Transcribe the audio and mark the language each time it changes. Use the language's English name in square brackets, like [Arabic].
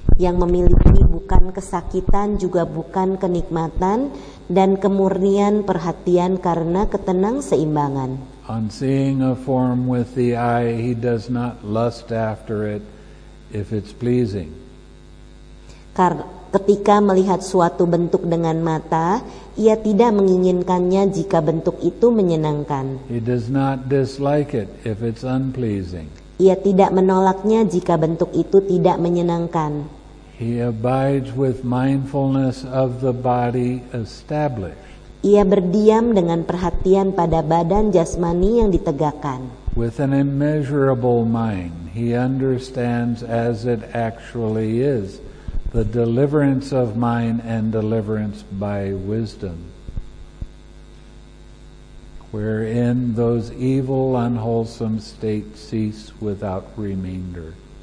[Indonesian] Yang memiliki bukan kesakitan juga bukan kenikmatan dan kemurnian perhatian karena ketenang seimbangan. [English] On seeing a form with the eye, he does not lust after it if it's pleasing. [Indonesian] Ketika melihat suatu bentuk dengan mata, ia tidak menginginkannya jika bentuk itu menyenangkan. [English] He does not dislike it if it's unpleasing. [Indonesian] Ia tidak menolaknya jika bentuk itu tidak menyenangkan. [English] He abides with mindfulness of the body established. [Indonesian] Ia berdiam dengan perhatian pada badan jasmani yang ditegakkan. [English] With an immeasurable mind, he understands as it actually is, the deliverance of mind and deliverance by wisdom, wherein those evil, unwholesome states cease without remainder.